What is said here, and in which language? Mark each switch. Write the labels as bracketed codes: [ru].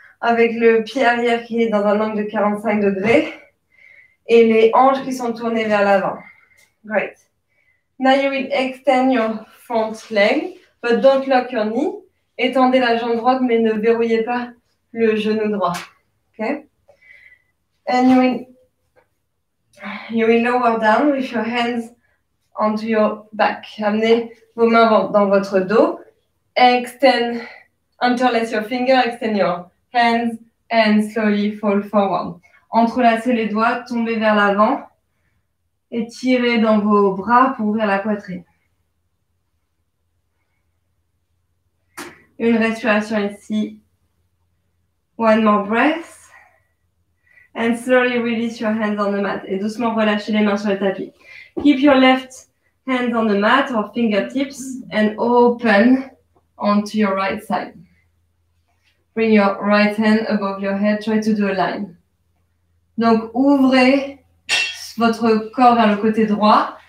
[fr] avec le pied arrière qui est dans un angle de 45 degrés et les hanches qui sont tournées vers l'avant. [en] Great. Now you will extend your front leg, but don't lock your knee. [fr] Étendez la jambe droite, mais ne verrouillez pas le genou droit. [en] Okay? And you will lower down with your hands onto your back. [fr] Amenez vos mains dans votre dos. [en] Extend, interlace your finger, extend your hands and slowly fall forward. [fr] Entrelacez les doigts, tombez vers l'avant et tirez dans vos bras pour ouvrir la poitrine. Une respiration ici. [en] One more breath. And slowly release your hands on the mat. [fr] Et doucement relâchez les mains sur le tapis. [en] Keep your left hand on the mat or fingertips and open onto your right side. Bring your right hand above your head. Try to do a line. [fr] Donc, ouvrez votre corps vers le côté droit.